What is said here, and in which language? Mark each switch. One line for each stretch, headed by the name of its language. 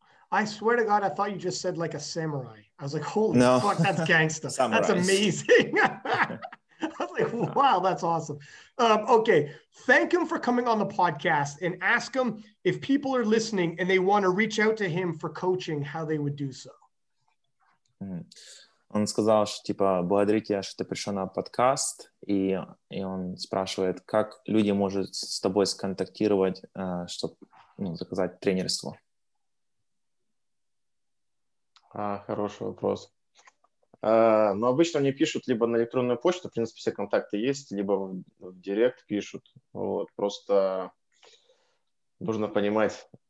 English: I swear to God, I thought you just said like a samurai. I was like, holy fuck, that's No, gangsta. That's summarize. amazing. I was like, wow, that's awesome. Okay. Thank him for coming on the podcast and ask him if people are listening and they want to reach out to him for coaching, how they would do so.
Ukrainian: Он сказав, що типа, благодарю тебе, що ти прийшов на подкаст, і він спрашує, як люди можуть з тобою сконтактувати, щоб
Russian: ну, заказать тренерство? А, хороший вопрос. Ну, обычно мне пишут либо на электронную почту, в принципе, все контакты есть, либо в директ пишут. Вот, просто нужно понимать.